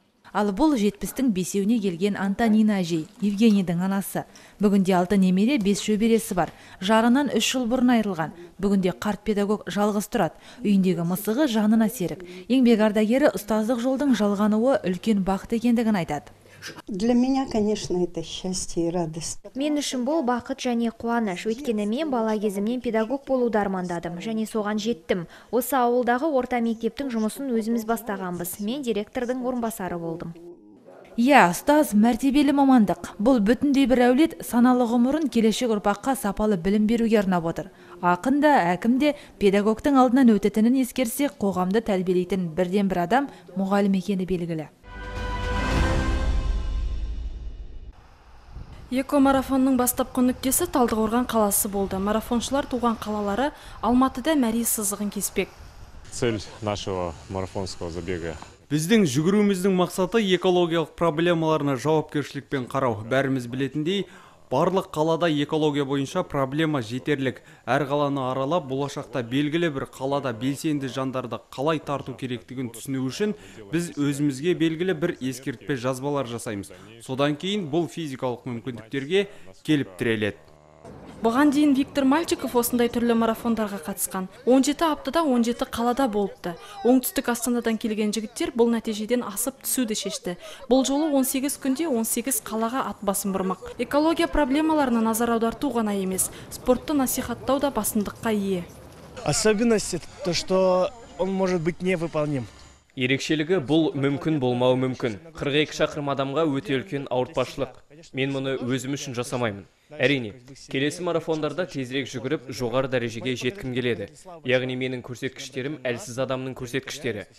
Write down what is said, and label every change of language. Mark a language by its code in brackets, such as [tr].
[kk] Ал бұл 70-тің бесеуіне келген Антонина әжей, Евгенийдің анасы. Бүгінде 6 немере, 5 шөбересі бар. Жарынан 3 жыл бұрын айырылған. Бүгінде қарт педагог жалғыз тұрады. Үйіндегі мысығы жанына серік. Еңбек ардагері ұстаздық жолдың жалғануы үлкен бақыт екендігін айтады. [ru] Для меня, конечно, это счастье и радость. [kk] Мен үшін бұл бақыт және қуаныш. Өйткені мен бала кезімнен педагог болуды армандадым және соған жеттім. Осы ауылдағы орта мектептің жұмысын өзіміз бастағанбыз. Мен директордың орынбасары болдым. Ұстаз мәртебелі мамандық. Бұл бүтіндей бір әулет саналы ғұмырын келешек ұрпаққа сапалы білім беруге арнап отыр. Ақын да, әкім де педагогтың алдынан өтетінін ескерсе, қоғамды тәрбиелейтін бірден бір адам мұғалім екені белгілі. Эко-марафонның бастапқы нүктесі Талдықорған қаласы болды. Марафоншылар туған қалалары Алматыда мәре сызығын кеспек. [ru] Цель нашего марафонского забега. [kk] Біздің жүгіруіміздің мақсаты экологиялық проблемаларына жауапкершілікпен қарау. Бәріміз білетіндей, барлық қалада экология бойынша проблема жетерлік. Әр қаланы аралап, болашақта белгілі бір қалада белсенді жандарды қалай тарту керектігін түсіну үшін, біз өзімізге белгілі бір ескертпе жазбалар жасаймыз. Содан кейін бұл физикалық мүмкіндіктерге келіп тіреледі. Бұған дейін Виктор Мальчиков осындай түрлі марафондарға қатысқан. 17 аптада 17 қалада болыпты. Оңтүстік Астанадан келген жігіттер бұл нәтижеден асып түсуді шешті. Бұл жолы 18 күнде 18 қалаға ат басын бұрмақ. Экология проблемаларына назар аударту ғана емес, спортты насихаттау да басымдыққа ие. [ru] Особенность то, что он может быть невыполним. [kk] Ерекшелігі бұл мүмкін болмауы мүмкін. 42 шақырым адамға өте үлкен ауыртпашылық. Мен мұны өзім үшін жасамаймын. Әрине, келесі марафондарда тезірек жүгіріп, жоғары дәрежеге жеткім келеді. Яғни менің көрсеткіштерім әлсіз адамның көрсеткіштері.